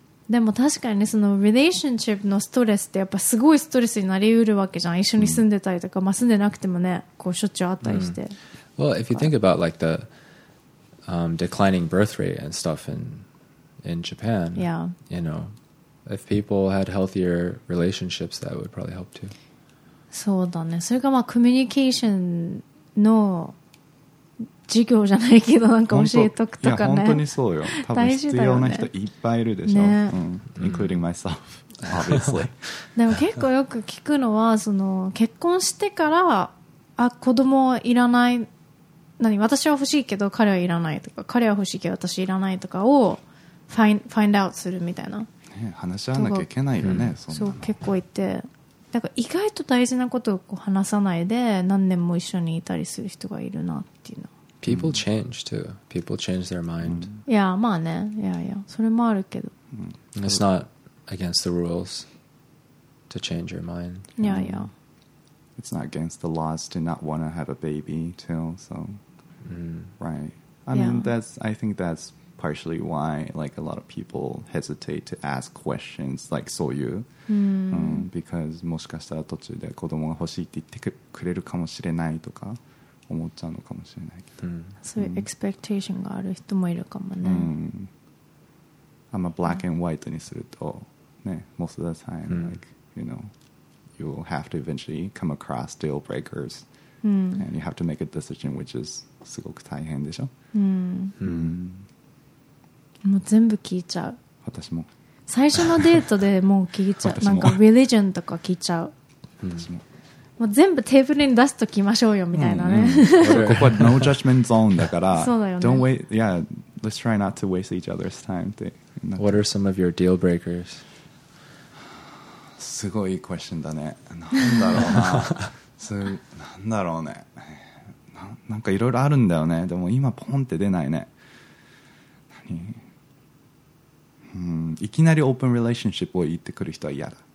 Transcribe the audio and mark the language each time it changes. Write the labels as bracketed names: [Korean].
[Japanese] でも確かにそのリレーションシップのストレスってやっぱすごいストレスになりうるわけじゃん一緒に住んでたりとか、まあ、住んでなくてもねこうしょっちゅうあったりして、 [English] Well, if you think about like the declining birth rate and stuff in Japan Yeah You know If people had healthier relationships that would probably help too [Japanese] そうだねそれがまあコミュニケーションの授業じゃないけどなんか教えとくとかね本当にそうよ多分必要な人いっぱいいるでしょ、ねうん、 [English] including myself obviously [Japanese] でも結構よく聞くのはその結婚してからあ子供いらない何私は欲しいけど彼はいらないとか彼は欲しいけど私いらないとかを [English] find out [Japanese] するみたいな、ね、話し合わなきゃいけないよね、うん、そう結構いてなんか意外と大事なことをこう話さないで何年も一緒にいたりする人がいるなっていうのは [English] People change too. People change their mind. [Japanese] Yeah, まあね.Yeah, yeah. それもあるけど. [English] It's not against the rules to change your mind. Yeah, yeah. It's not against the laws to not want to have a baby too, so. Right. I mean, I think that's partially why like a lot of people hesitate to ask questions like so you. Because [Japanese] もしかしたら途中で子供が欲しいって言ってくれるかもしれないとか。思っちゃうのかもしれないけど、そういうエクスペクテーションがある人もいるかもね。あんまブラック&ホワイトにすると、ね、 [English] most of the time,、 [Japanese] mm. [English] like you know, you will have to eventually come across deal breakers,、 mm. and you have to make a decision, which is [Japanese] すごく大変でしょ。もう全部聞いちゃう。私も。最初のデートでもう聞いちゃう。なんか religion とか聞いちゃう。もう全部テーブルに出すときましょうよみたいなね、ここは No Judgment Zone だからそうだよね、 [English] Don't wait, yeah, let's try not to waste each other's time って。 What are some of your deal breakers? [Japanese] すごいいいクエスチョンだね。なんだろうな。そう、なんだろうね、なんかいろいろあるんだよね。でも今ポンって出ないね。何、うん、いきなりオープンリレーションシップを言ってくる人は嫌だ。